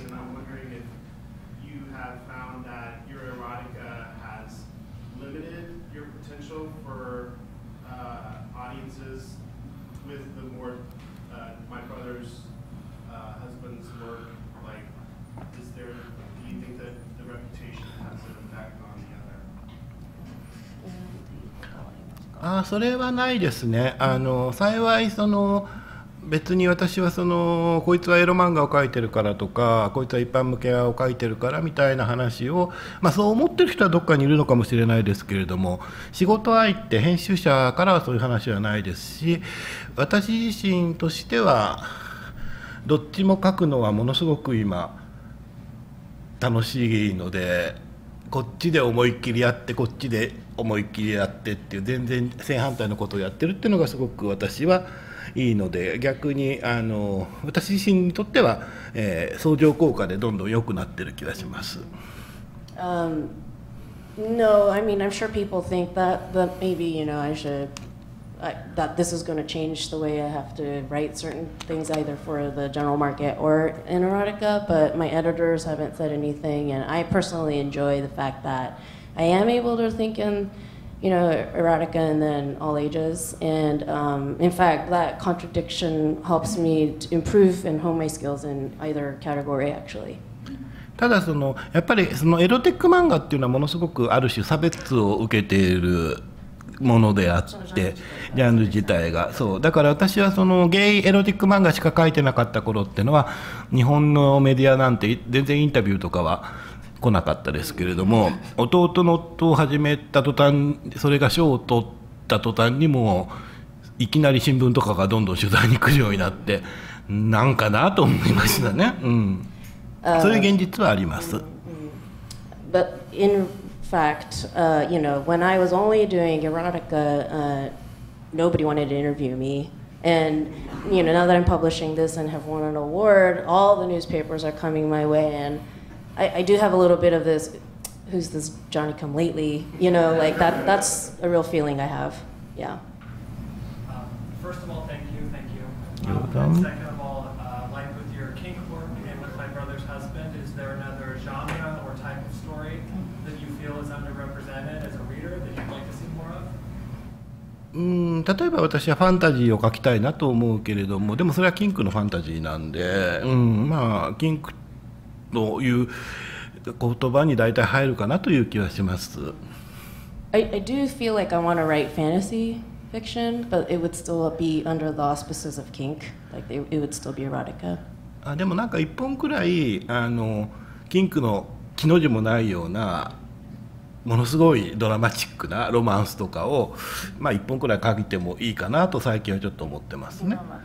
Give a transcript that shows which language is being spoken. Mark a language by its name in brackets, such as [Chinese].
[English] And I'm wondering if you have found that your erotica has limited your potential for audiences with the more my brother's husband's work. Like, is there, do you think that the reputation has an impact on the other? [Japanese] それはないですね。幸いその別に私はそのこいつはエロ漫画を描いてるからとか、こいつは一般向けを描いてるからみたいな話を、まあ、そう思ってる人はどっかにいるのかもしれないですけれども、仕事相手編集者からはそういう話はないですし、私自身としてはどっちも描くのはものすごく今楽しいので、こっちで思いっきりやって、こっちで思い切りやってっていう全然正反対のことをやってるっていうのがすごく私はいいので、逆に私自身にとっては、相乗効果でどんどん良くなってる気がします。 [English] No, I mean, I'm sure people think that, but maybe, you know, I should that this is going to change the way I have to write certain things either for the general market or in erotica, but my editors haven't said anything, and I personally enjoy the fact thatI am able to think in, you know, erotica and then all ages. And in fact, that contradiction helps me to improve and hone my skills in either category, actually. [Japanese] ただそのやっぱりそのエロティック漫画っていうのはものすごくある種差別を受けているものであって、ジャンル自体が。そう。だから私はそのゲイエロティック漫画しか書いてなかった頃っていうのは、日本のメディアなんて全然インタビューとかは来なかったですけれども、弟の夫を始めた途端、それが賞を取った途端にもういきなり新聞とかがどんどん取材に来るようになって、なんかなと思いましたね、そういう現実はあります、 [English] But in fact, you know, when I was only doing erotica, nobody wanted to interview me. And you know, now that I'm publishing this and have won an award, all the newspapers are coming my way, and I do have a little bit of this, who's this Johnny come lately, you know, like that's a real feeling I have, yeah. First of all, thank you. You're welcome. And second of all, like with your kink work and with my brother's husband, is there another genre or type of story? story that you feel is underrepresented as a reader that you'd like to see more of? [Japanese] うん、例えば私はファンタジーを描きたいなと思うけれども、でもそれはキンクのファンタジーなんで、うん、まあキンクという言葉に大体入るかなという気はします。 [English] I do feel like I want to write fantasy fiction, but it would still be under the auspices of kink, like it would still be erotica. [Japanese] あ、でもなんか一本くらいあのキンクの木の字もないようなものすごいドラマチックなロマンスとかを、まあ、1本くらい書いてもいいかなと最近はちょっと思ってますね。